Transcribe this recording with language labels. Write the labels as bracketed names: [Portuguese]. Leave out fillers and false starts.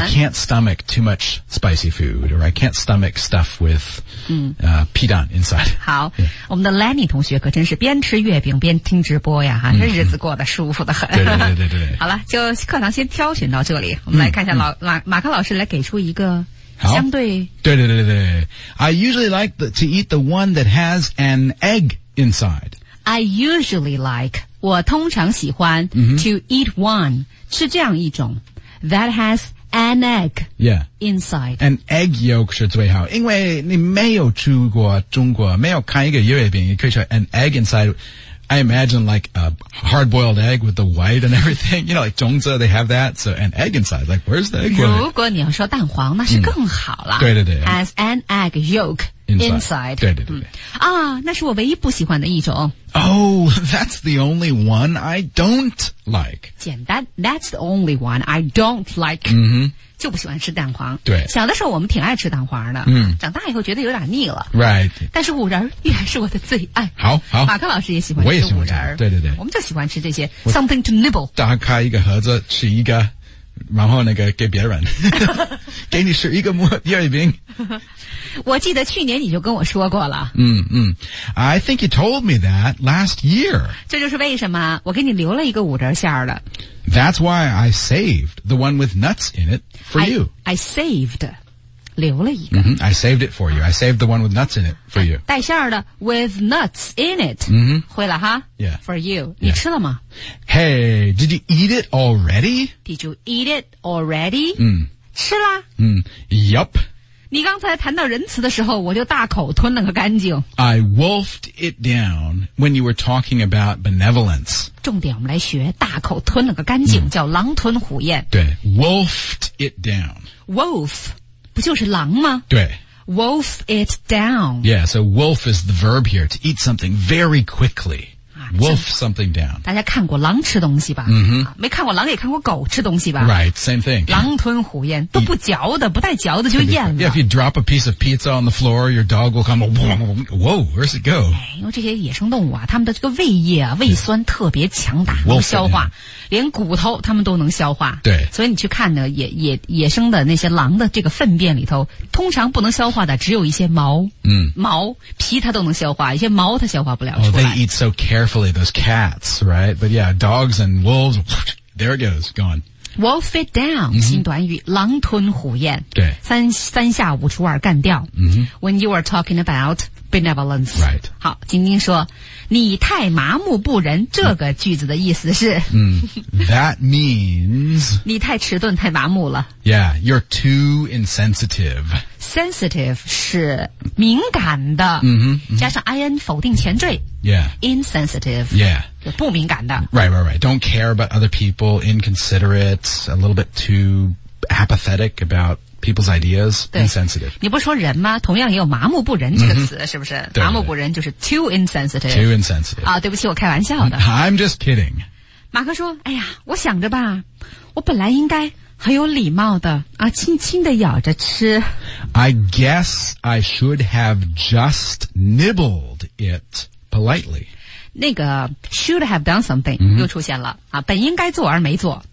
[English] I can't stomach too much spicy food or I can't stomach stuff with、 mm. 皮蛋 inside. [Chinese] 好、yeah. 我们的 Lenny 同学可真是边吃月饼边听直播呀哈、mm-hmm. 日子过得舒服得很。对对对对 对。好了就课堂先挑选到这里我们来看一下老、mm-hmm. 马克老师来给出一个相对。对对对对。 [English] I usually like to eat the one that has an egg inside. I usually like, [Chinese] 我通常喜欢、 mm-hmm. [English] to eat one, [Chinese] 吃这样一种 [English] that has an egg. Yeah. Inside. An egg yolk [Chinese] 是最好因为你没有去过中国没有看一个月饼你可以说 [English] an egg inside. I imagine like a hard boiled egg with the white and everything. You know, like 种子 they have that. So an egg inside. Like, where's the egg? [Chinese] 如果你要说蛋黄那是更好了、嗯、对对对 [English] As an egg yolk inside. [Chinese] 对对对啊、那是我唯一不喜欢的一种 [English] Oh, that's the only one I don't like. 简单 That's the only one I don't like. 嗯哼 [Chinese] 就不喜欢吃蛋黄。对，小的时候我们挺爱吃蛋黄的。嗯，长大以后觉得有点腻了。 [English] Right。 [Chinese] 但是五仁依然是我的最爱。好好，马克老师也喜欢吃五仁。我也喜欢吃。对对对，我们就喜欢吃这些 [English] something to nibble。 [Chinese] 打开一个盒子吃一个，然后那个给别人，给你吃一个月饼。我记得去年你就跟我说过了。 [English] 嗯嗯 ，I think you told me that last year。 [Chinese] 这就是为什么我给你留了一个五仁馅儿的。 [English] That's why I saved the one with nuts in it for you. I saved, [Chinese] 留了一个。 [English] Mm-hmm, I saved it for you. I saved the one with nuts in it for you. [Chinese] 带馅儿的 [English] with nuts in it. 嗯、mm-hmm. [Chinese] 会了哈。 [English] Yeah. For you. [Chinese] 你、yeah. 吃了吗 [English] ?Hey, did you eat it already? Did you eat it already? 嗯。 [Chinese] 吃啦。嗯。Yup. 你刚才谈到仁慈的时候我就大口吞了个干净。 [English] I wolfed it down when you were talking about benevolence. [Chinese] 重点我们来学大口吞了个干净、嗯、叫狼吞虎咽。 [English] 对 ,wolfed it down. [Chinese] Wolf, 不就是狼吗对。 [English] Wolf it down. Yeah, so wolf is the verb here, to eat something very quickly.、啊、 wolf something down. [Chinese] 大家看过狼吃东西吧、 mm-hmm. 啊、没看过狼也看过狗吃东西吧 [English] Right, same thing. [Chinese] 狼吞虎咽都不嚼的不带嚼的就咽了。 [English] Yeah, if you drop a piece of pizza on the floor, your dog will come, whoa, where's it go? [Chinese] 因为这些野生动物啊他们的这个胃液啊胃酸特别强大、 [English] yeah. [Chinese] 能消化。连骨头他们都能消化。对。所以你去看呢 野生的那些狼的这个粪便里头通常不能消化的只有一些毛。嗯。毛皮它都能消化一些毛它消化不了出来。 [English] Oh, they eat so carefully, those cats, right? But yeah, dogs and wolves, there it goes, gone. Wolf it down, [Chinese] 新短语、mm-hmm. 狼吞虎咽。对。三下五除二干掉。嗯、mm-hmm.。 [English] When you were talking about,benevolence. Right. [Chinese] 好，晶晶说，你太麻木不仁。这个句子的意思是， [English] 嗯、that means [Chinese] 你太迟钝，太麻木了。 [English] Yeah, you're too insensitive. [Chinese] Sensitive 是敏感的， mm-hmm, mm-hmm. 加上 in 否定前缀。 [English] Yeah. Insensitive. Yeah. [Chinese] 不敏感的。 [English] Right, right, right. Don't care about other people. Inconsiderate. A little bit too apathetic about. People's ideas, insensitive. [Chinese] 你不说人吗？同样也有麻木不仁这个词、mm-hmm. 是不是对对对麻木不仁就是 [English] too insensitive. Too insensitive. [Chinese] 啊、对不起我开玩笑的。 [English] I'm just kidding. [Chinese] 马克说哎呀我想着吧我本来应该很有礼貌的啊轻轻地咬着吃。 [English] I guess I should have just nibbled it politely. [Chinese] 那个 [English] should have done something、 mm-hmm. [Chinese] 又出现了啊本应该做而没做。